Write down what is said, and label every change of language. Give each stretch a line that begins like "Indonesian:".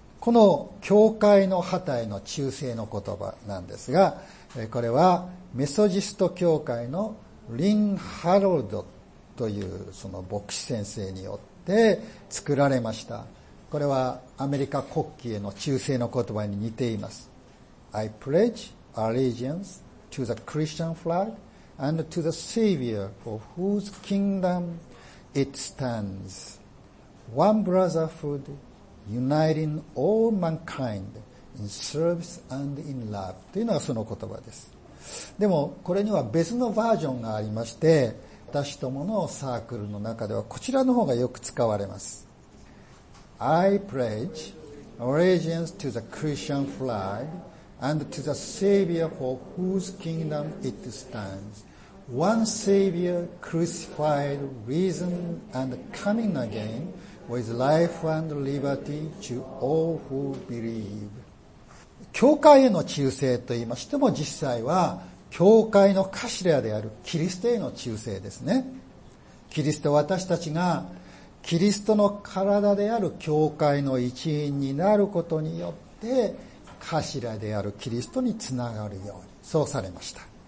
Japanese: この教会の旗への忠誠の言葉なんですが、これはメソジスト教会のリン・ハロルドというその牧師先生によって作られました。これはアメリカ国旗への忠誠の言葉に似ています。
English: I pledge allegiance to the Christian flag and to the Savior for whose kingdom it stands. One brotherhoodUniting all mankind in service and in love
Japanese: というのがその言葉です。でもこれには別のバージョンがありまして、私どものサークルの中ではこちらの方がよく使われます。
English: I pledge allegiance to the Christian flag and to the Savior for whose kingdom it stands. One Savior crucified, risen and coming againWith life and liberty to all who believe.
Japanese: 教会への忠誠といいましても、実際は教会の頭であるキリストへの忠誠ですね。キリスト、私たちがキリストの体である教会の一員になることによって、頭であるキリストにつながるように、そうされました。